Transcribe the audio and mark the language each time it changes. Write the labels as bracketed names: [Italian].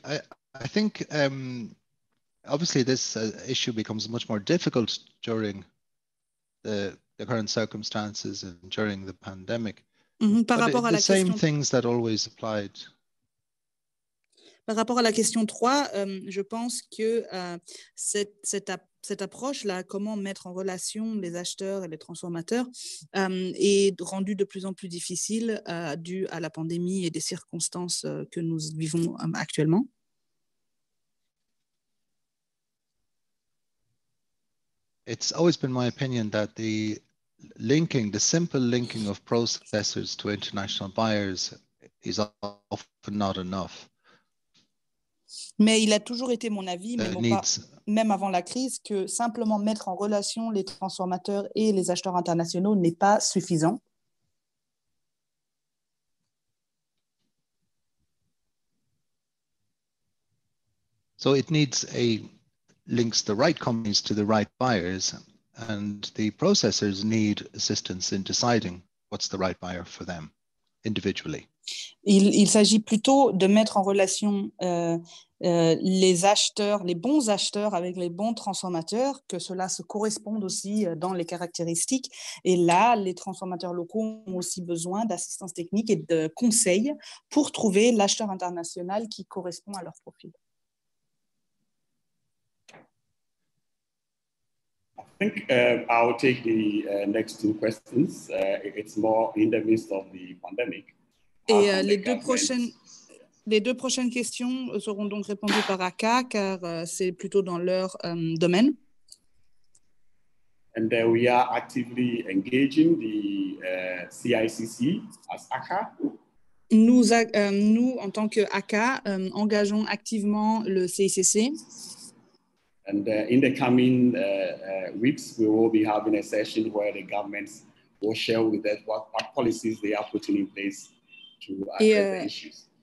[English] I think, obviously, this issue becomes much more difficult during the current circumstances and during the pandemic. [French] Par rapport à la question 3, je pense que cette approche-là, comment mettre en relation les acheteurs et les transformateurs, est rendue de plus en plus difficile dû à la pandémie et des circonstances que nous vivons actuellement. [English] It's always been my opinion that the simple linking of processors to international buyers is often not enough. [French] Mais il a toujours été mon avis, même avant la crise, que simplement mettre en relation les transformateurs et les acheteurs internationaux n'est pas suffisant. [English] So it needs a links the right companies to the right buyers. And the processors need assistance in deciding what's the right buyer for them individually. [French] Il s'agit plutôt de mettre en relation les acheteurs, les bons acheteurs avec les bons transformateurs, que cela se corresponde aussi dans les caractéristiques. Et là, les transformateurs locaux ont aussi besoin d'assistance technique et de conseils pour trouver l'acheteur international qui correspond à leur profil. [English] I think I'll take the next two questions. It's more in the midst of the pandemic. [French] Et les deux prochaines questions seront donc répondues par Aka, car c'est plutôt dans leur domaine. [English] And we are actively engaging the CICC as Aka. [French] Nous, en tant que Aka, engageons activement le CICC. [English] And in the coming weeks, we will be having a session where the governments will share with us what policies they are putting in place to address the issues.